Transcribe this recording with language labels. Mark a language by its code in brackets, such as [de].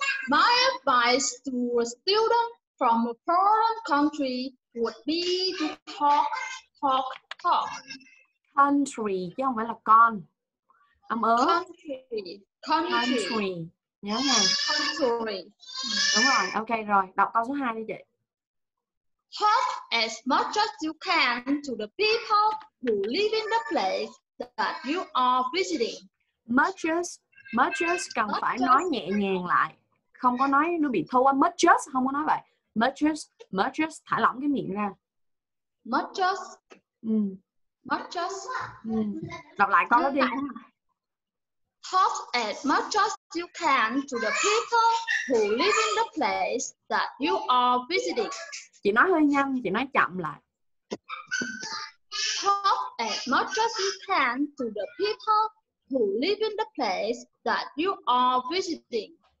[en] My advice to a student from a foreign country would be to talk, talk, talk. [vi] Country, chứ không phải là con. Âm ớ. [en] Country. [vi] Country. Nhớ nè. [en] Country. [vi] Đúng rồi, ok rồi. Đọc câu số 2 đi chị. [en] Talk as much as you can to the people who live in the place that you are visiting. [vi] Much as cần phải nói nhẹ nhàng lại. Không có nói nó bị thô quá. Much as, không có nói vậy. Much as, thả lỏng cái miệng ra. [en] Much as. Much as. [vi] Đọc lại con đó đi. [en] Talk as much as you can to the people who live in the place that you are visiting. [vi] Chị nói hơi nhanh, chị nói chậm lại. [en] Talk as much as you can to the people who live in the place that you are visiting.